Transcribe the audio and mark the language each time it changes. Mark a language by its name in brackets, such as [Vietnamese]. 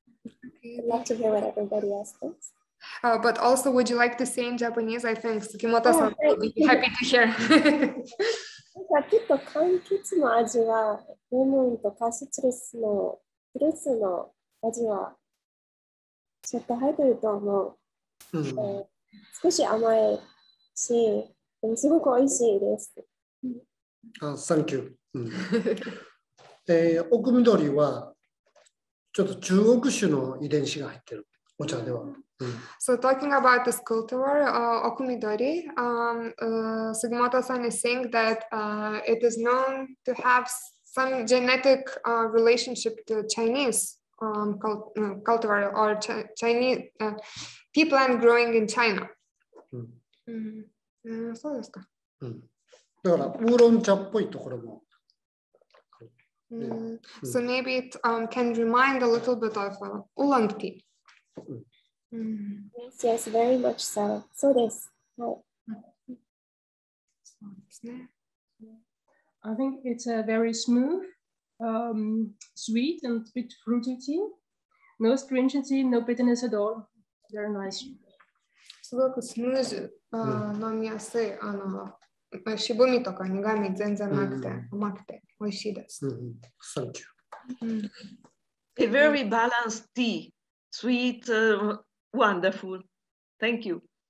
[English] I'd love to hear what everybody else thinks. But also, would you like to say in Japanese? I think Sugimoto-san would be happy to share. [Japanese] なんかちょっと柑橘の味は、レモンとかシトラスのフルーツの味はちょっと入ってると思う。うん少し甘いし、でもすごく美味しいです。 [English] Thank you. [Japanese] 奥緑はちょっと中国種の遺伝子が入ってる。お茶では。 [English] So talking about this cultivar, Okumidori, Sugimoto-san is saying that it is known to have some genetic relationship to Chinese cultivar or Chinese tea plant growing in China. [Japanese] そうですか。だからウーロン茶っぽいところも。 [English] So maybe it can remind a little bit of oolong tea. Yes, very much so. So this. I think it's a very smooth, sweet and a bit fruity tea. No astringency, no bitterness at all. Very nice. Сколько смузи, но мясо, оно шибуми только, не гами, дзензе макте, макте, ойшидес. Thank you. A very balanced tea, sweet, wonderful. Thank you.